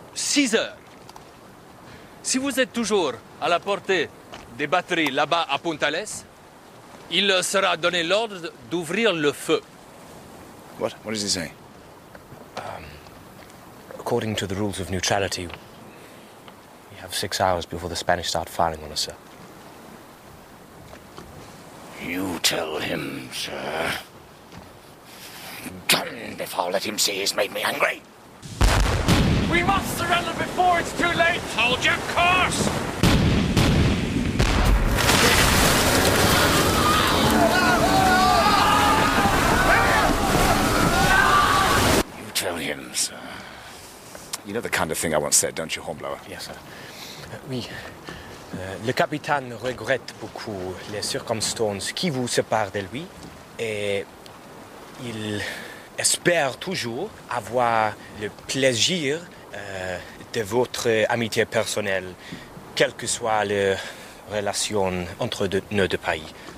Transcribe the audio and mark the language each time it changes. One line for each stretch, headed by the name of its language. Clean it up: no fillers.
French: Caesar, si vous êtes toujours à la portée des batteries là-bas à Puntales, il leur sera donné l'ordre d'ouvrir le feu.
English: What does he say? According to the rules of neutrality, we have 6 hours before the Spanish start firing on us, sir. You tell him, sir. Gun before let him see he's made me angry. We must surrender before it's too late. Hold your course. You tell him, sir. You know the kind of thing I once said, don't you, Hornblower? Yes, sir.
French: Oui. Le capitaine regrette beaucoup les circonstances qui vous séparent de lui et il espère toujours avoir le plaisir de votre amitié personnelle, quelle que soit la relation entre nos deux pays.